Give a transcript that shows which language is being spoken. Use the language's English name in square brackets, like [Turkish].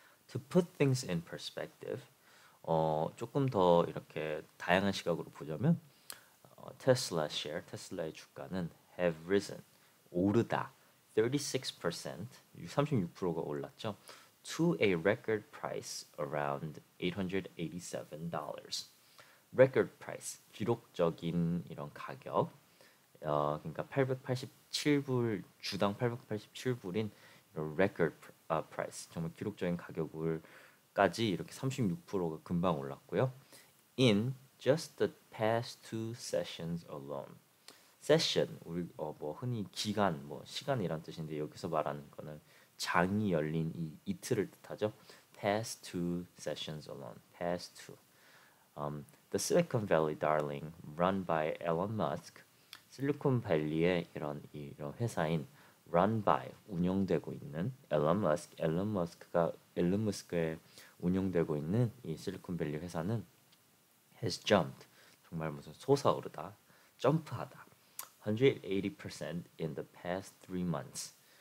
[English] To put things in perspective, [Korean] 조금 더 이렇게 다양한 시각으로 보자면, 테슬라의 주가는 [English] have risen, [Korean] 오르다, 36%, 36%가 올랐죠. [English] To a record price around $887. [Korean] Record price, 기록적인 이런 가격, 그러니까 887불, 주당 887불인 record price, 정말 기록적인 가격을까지 이렇게 36%가 금방 올랐고요. [English] In just the past two sessions alone. [Korean] Session, 우리 뭐 흔히 기간, 뭐 시간이란 뜻인데 여기서 말하는 거는 장이 열린 이 이틀을 뜻하죠. [English] Past two sessions alone. Past two. The Silicon Valley darling run by Elon Musk. [Korean] 실리콘밸리의 이런 회사인 [English] run by [Korean] 운영되고 있는 Elon Musk가 운영되고 있는 이 실리콘밸리 회사는 [English] has jumped [Korean] 정말 무슨 솟아오르다 점프하다 [English] 180% in the past 3 months.